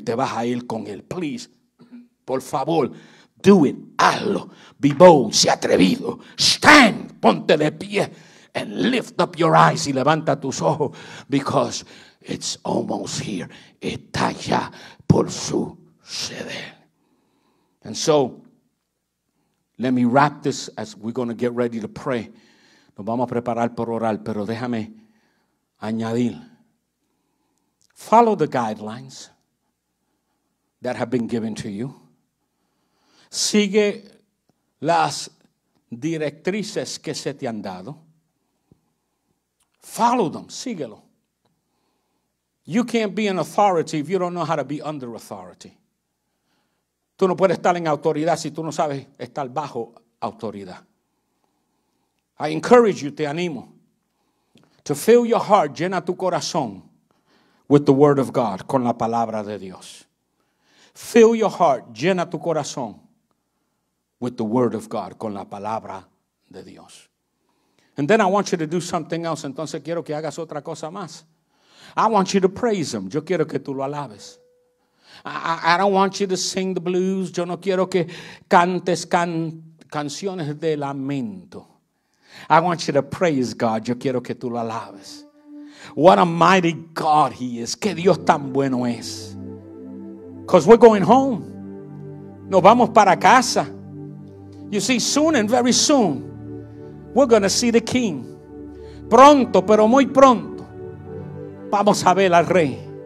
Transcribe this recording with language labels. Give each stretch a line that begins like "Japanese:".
Spanish: Te vas a ir con él.
English: Please.
Spanish: Por favor.
English: Do it,
Spanish: hazlo,
English: be bold,
Spanish: sea atrevido,
English: stand,
Spanish: ponte de pie,
English: and lift up your eyes
Spanish: y levanta tus ojos,
English: because it's almost here,
Spanish: está ya por suceder.
English: And so, let me wrap this as we're going to get ready to pray.
Spanish: Nos vamos a preparar por orar, pero déjame añadir.
English: Follow the guidelines that have been given to you.
Spanish: Sigue las directrices que se te han dado.
English: Follow them.
Spanish: Síguelo.
English: You can't be an authority if you don't know how to be under authority.
Spanish: Tú no puedes estar en autoridad si tú no sabes estar bajo autoridad.
English: I encourage you,
Spanish: te animo,
English: to fill your heart,
Spanish: llena tu corazón
English: with the word of God,
Spanish: con la palabra de Dios.
English: Fill your heart,
Spanish: llena tu corazón
English: with the word of God,
Spanish: con la palabra de Dios.
English: And then I want you to do something else.
Spanish: Entonces quiero que hagas otra cosa más.
English: I want you to praise him.
Spanish: Yo quiero que tú lo alabes.
English: I don't want you to sing the blues.
Spanish: Yo no quiero que cantes canciones de lamento.
English: I want you to praise God.
Spanish: Yo quiero que tú lo alabes.
English: What a mighty God he is.
Spanish: Que Dios tan bueno es.
English: Because we're going home.
Spanish: Nos vamos para casa.
English: You see, soon and very soon, we're going to see the King.
Spanish: Pronto, pero muy pronto, vamos a ver al Rey.